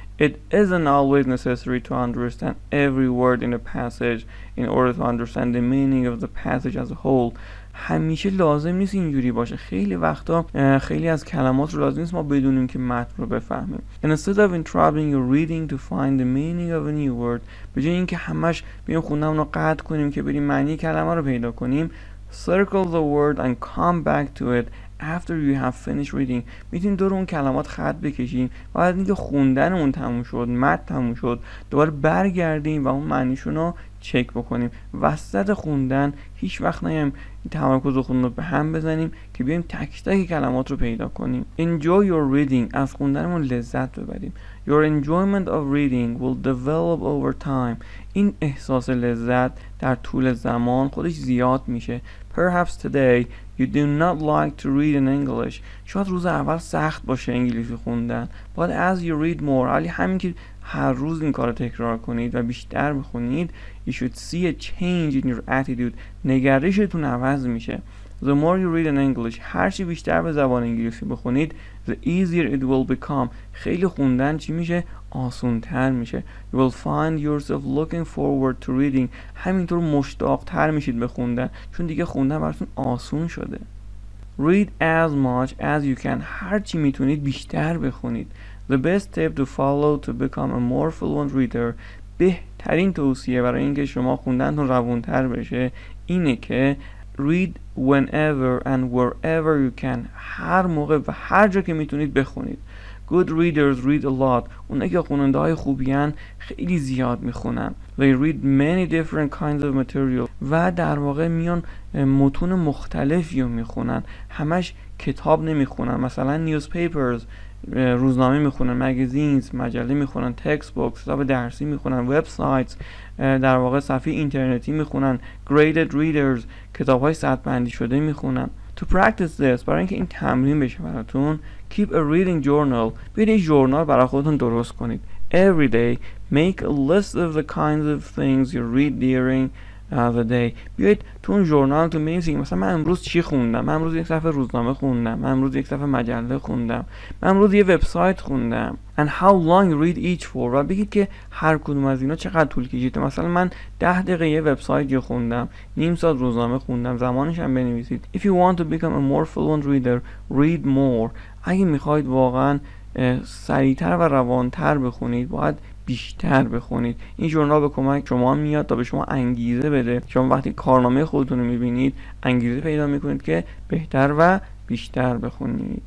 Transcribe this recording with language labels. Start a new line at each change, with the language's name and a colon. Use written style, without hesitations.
English: It isn't always necessary to understand every word in a passage in order to understand the meaning of the passage as a whole.
Persian: همیشه لازم نیست اینجوری باشه. خیلی وقتا خیلی از کلمات رو لازم نیست ما بدونیم که متن رو بفهمیم.
English: Instead of interrupting your reading to find the meaning of a new word,
Persian: به جای اینکه همش بیایم خوندنمون رو قطع کنیم که بریم معنی کلمه رو پیدا کنیم,
English: circle the word and come back to it after you have finished reading.
Persian: میتونیم دور اون کلمات خط بکشیم و بعد اینکه خوندنمون تموم شد, متن تموم شد, دوباره برگردیم و اون معنیشون رو چک بکنیم. وسط خوندن هیچ وقت نیم تمرکز خوندن رو به هم بزنیم که بیایم تک تک کلمات رو پیدا کنیم.
English: Enjoy your reading.
Persian: از خوندنمون لذت ببریم.
English: Your enjoyment of reading will develop over time.
Persian: این احساس لذت در طول زمان خودش زیاد میشه.
English: Perhaps today you do not like to read in English.
Persian: شاید روز اول سخت باشه انگلیسی خوندن.
English: But as you read more,
Persian: علی همین که هر روز این کارو تکرار کنید و بیشتر بخونید,
English: you should see a change in your attitude.
Persian: نگرشتون عوض میشه.
English: The more you read in English,
Persian: هر چی بیشتر به زبان انگلیسی بخونید,
English: the easier it will become.
Persian: خیلی خوندن چی میشه؟ آسان‌تر میشه.
English: You will find yourself looking forward to reading.
Persian: همینطور مشتاق‌تر میشید به خوندن, چون دیگه خوندن براتون آسون شده.
English: Read as much as you can.
Persian: هر چی میتونید بیشتر بخونید.
English: The best tip to follow to become a more fluent reader.
Persian: بهترین توصیه برای اینکه شما خوندنتون روان‌تر بشه اینه که
English: read whenever and wherever you can.
Persian: هر موقع و هر جا که میتونید بخونید.
English: Good readers read a lot.
Persian: اونایی که خواننده های خوبی هستند خیلی زیاد میخونن.
English: They read many different kinds of material.
Persian: و در واقع میان متون مختلفی رو میخونن. همش کتاب نمیخونن. مثلا newspapers, روزنامه میخونن, magazines, مجله میخونن, textbooks, کتاب درسی میخونن, websites, در واقع صفحه اینترنتی میخونن, graded readers, کتاب های سطح بندی شده میخونن.
English: To practice this,
Persian: برای اینکه این تمرین بشه براتون,
English: keep a reading journal.
Persian: بیاید این جورنال برای خودتون درست کنید.
English: Every day, make a list of the kinds of things you read during the day.
Persian: بیاید تو اون جورنالتون بنویسید مثلا من امروز چی خوندم. من امروز یک صفحه روزنامه خوندم. من امروز یک صفحه مجله خوندم. من امروز یه وبسایت خوندم.
English: And how long you read each for.
Persian: و بگید که هر کدوم از اینا چقدر طول کشید. مثلا من 10 دقیقه یه وبسایت رو خوندم, نیم ساعت روزنامه خوندم. زمانش هم بنویسید.
English: If you want to become a more fluent reader, read more.
Persian: اگه میخواید واقعا سریعتر و روانتر بخونید, باید بیشتر بخونید. این جورنال به کمک شما میاد تا به شما انگیزه بده. شما وقتی کارنامه خودتون رو میبینید انگیزه پیدا میکنید که بهتر و بیشتر بخونید.